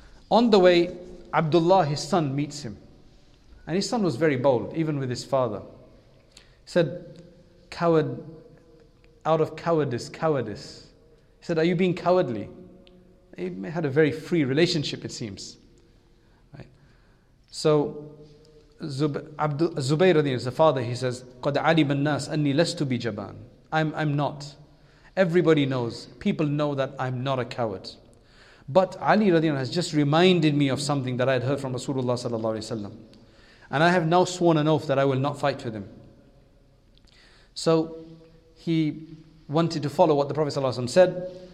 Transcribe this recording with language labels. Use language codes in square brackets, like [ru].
[en] On the way, Abdullah, his son, meets him. And his son was very bold, even with his father. He said, coward, out of cowardice. He said, are you being cowardly? He had a very free relationship, it seems. Right. So Zubair is the father. He says, [ar] قَدْ عَلِمَ النَّاسِ أَنِّي لَسْتُ بِجَبَانِ [en] I'm not. Everybody knows. People know that I'm not a coward. But Ali radiallahu has just reminded me of something that I had heard from Rasulullah sallallahu alaihi wasallam, and I have now sworn an oath that I will not fight with him. So he wanted to follow what the Prophet sallallahu alaihi wasallam said.